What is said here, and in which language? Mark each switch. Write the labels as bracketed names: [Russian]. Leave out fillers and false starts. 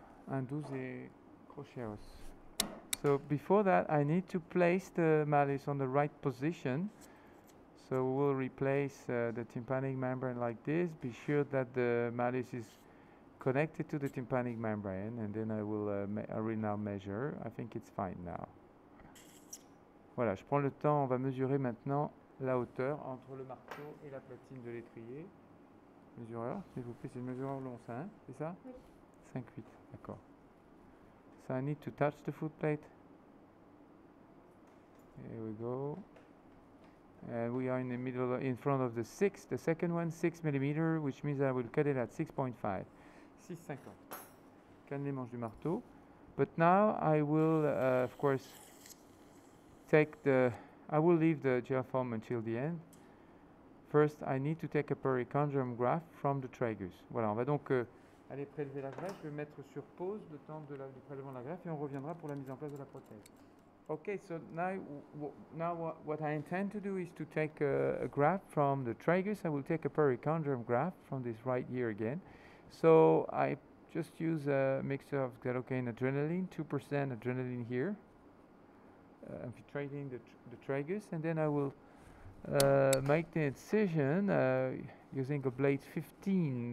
[French] Un 12 et crochet. [English] So before that, I need to place the malleus on the right position. So we'll replace the tympanic membrane like this. Be sure that the malleus is connected to the tympanic membrane, and then I will now measure. I think it's fine now. [French] Voilà, je prends le temps, on va mesurer maintenant la hauteur entre le marteau et la platine de l'étrier. Mesureur, s'il vous plaît, c'est le mesureur long, ça, hein? C'est ça? Oui. 5-8, d'accord. [English] So I need to touch the foot plate. Here we go. And we are in the middle, in front of the six, the second one, 6 millimeter, which means I will cut it at 6.5. 6.50. [French] Cannelé manche du marteau. [English] But now I will, of course, take the. I will leave the gel foam until the end. First, I need to take a perichondrium graft from the tragus. [French] Voilà, on va donc aller prélever la graisse. Je vais mettre sur pause le temps de du prélèvement de la graisse et on reviendra pour la mise en place de la prothèse. [English] Okay, so now, what I intend to do is to take a graft from the tragus. I will take a perichondrium graft from this right ear again. So I just use a mixture of xylocaine adrenaline, 2% adrenaline here, infiltrating the tragus, and then I will make the incision using a blade 15.